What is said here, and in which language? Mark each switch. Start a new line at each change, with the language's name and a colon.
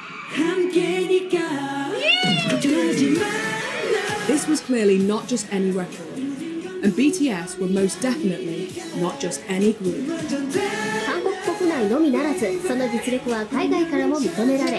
Korean: 함께니까 걱정하지 마라.
English: This was clearly not just any record. And BTS were most definitely not just any group.
Japanese: 한국 国内 のみ ならず その 実力は 海外 からも 認められ